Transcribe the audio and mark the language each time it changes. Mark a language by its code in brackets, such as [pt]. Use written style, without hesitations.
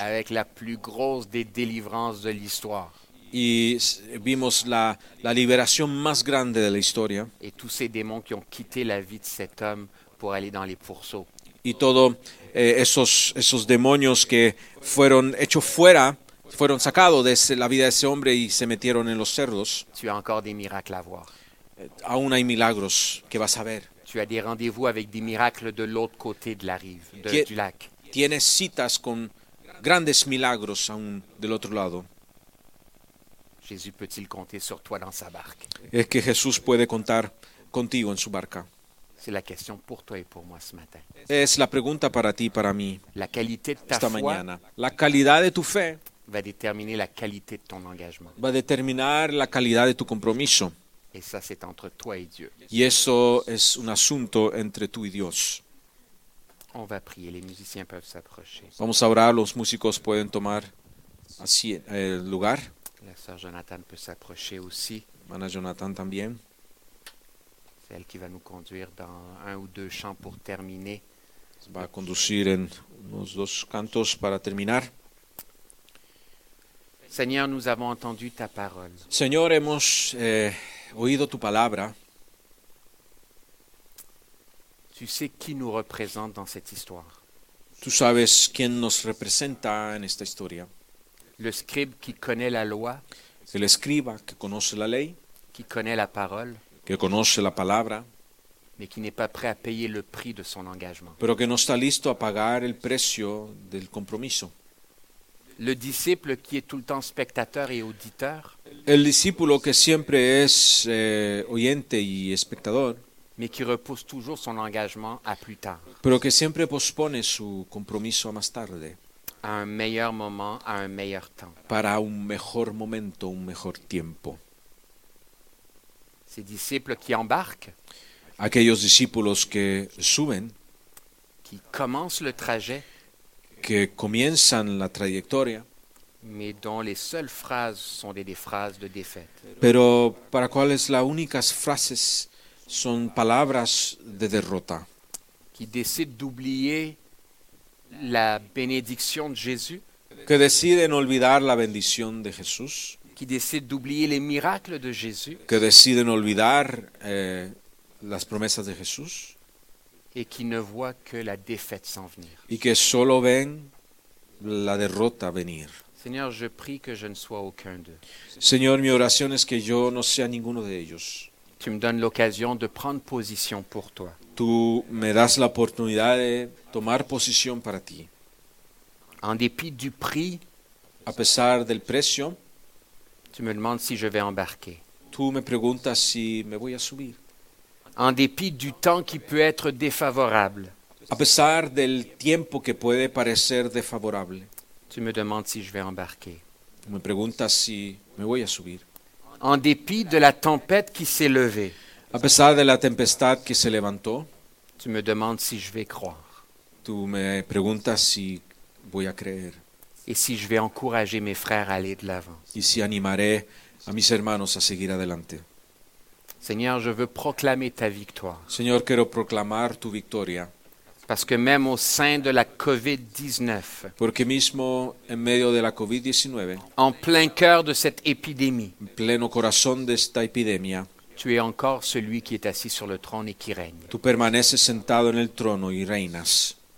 [fr] Avec la plus grosse des délivrances de l'histoire. [es] Y vimos la liberación más grande de la historia. Y todos esos demonios que han quitado la vida de este hombre para ir en los [fr] pourceaux. [es] Y todos esos demonios que fueron hechos fuera, fueron sacados de la vida de ese hombre y se metieron en los cerdos. [fr] Tu as encore des miracles à voir. [es] Aún hay milagros que vas a ver. [fr] Tu as des rendez-vous avec des miracles de l'autre côté de la rive, du lac. [es] Tienes citas con grandes milagros aún del otro lado. [fr] Jésus peut-il compter sur toi dans sa barque? [es] Es que Jesús puede contar contigo en su barca. [fr] C'est la question pour toi et pour moi ce matin. [es] Es la pregunta para ti, para mí. [fr] La qualité de ta [es] esta [fr] foi [es] mañana. La calidad de tu fe [fr] va déterminer la qualité de ton engagement. [es] Va a determinar la calidad de tu compromiso. [fr] Et ça, c'est entre toi et Dieu. [es] Y eso es un asunto entre tú y Dios. [fr] On va prier, les musiciens peuvent s'approcher. [es] Vamos a orar, los músicos pueden tomar así el lugar. [fr] La sœur Jonathan peut s'approcher aussi. [es] Mana Jonathan también. [fr] C'est elle qui va nous conduire dans un ou deux chants pour terminer. [es] Va conducir en unos dos cantos para terminar. [fr] Seigneur, nous avons entendu ta parole. [es] Señor, hemos oído tu palabra. [fr] Tu sais qui nous représente dans cette histoire. [es] Tú sabes quién nos representa en esta historia. [fr] Le scribe qui connaît la loi, [es] el escriba que conoce la ley, [fr] qui connaît la parole, [es] que conoce la palabra, [fr] mais qui n'est pas prêt à payer le prix de son engagement. [es] Pero que no está listo a pagar el precio del compromiso. [fr] Le disciple qui est tout le temps spectateur et auditeur. [es] El discípulo que siempre es oyente y espectador. [fr] Mais qui repousse toujours son engagement à plus tard. [es] Pero que siempre pospone su compromiso a más tarde. [fr] À un meilleur moment, à un meilleur temps. [es] Para un mejor momento, un mejor tiempo. [fr] Ces disciples qui embarquent. [es] Aquellos discípulos que suben. [fr] Qui commencent le trajet. [es] Que comienzan la trayectoria. [fr] Mais dont les seules phrases sont des phrases de défaite. [es] Pero para cuáles las únicas frases son palabras de derrota. [fr] Qui décident d'oublier la bénédiction de Jésus. [es] Que deciden olvidar la bendición de Jesús. [fr] Qui décident d'oublier les miracles de Jésus. [es] Que deciden olvidar las promesas de Jesús. [fr] Et qui ne voient que la défaite s'en venir. [es] Y que solo ven la derrota venir. [fr] Seigneur, je prie que je ne sois aucun d'eux. [es] Señor, mi oración es que yo no sea ninguno de ellos. [fr] Tu me donnes l'occasion de prendre position pour toi. [es] Tú me das la oportunidad de tomar posición para ti. [fr] En dépit du prix, [es] a pesar del precio, [fr] tu me demandes si je vais embarquer. [es] Tú me preguntas si me voy a subir. [fr] En dépit du temps qui peut être défavorable. [es] A pesar del tiempo que puede parecer desfavorable. [fr] Tu me demandes si je vais embarquer. [es] Me preguntas si me voy a subir. [fr] En dépit de la tempête qui s'est levée. [es] A pesar de la tempestad que se levantó. [fr] Tu me demandes si je vais croire. [es] Tú me preguntas si voy a creer. [fr] Et si je vais encourager mes frères à aller de l'avant. [es] Y si animaré a mis hermanos a seguir adelante. [fr] Seigneur, je veux proclamer ta victoire. [es] Señor, quiero proclamar tu victoria. [fr] Parce que même au sein de la COVID-19. [es] Porque mismo en medio de la COVID-19. [fr] En plein cœur de cette épidémie. [es] En pleno corazón de esta epidemia. [fr] Tu es encore celui qui est assis sur le trône et qui règne. [es] Tú permaneces sentado en el trono y reinas.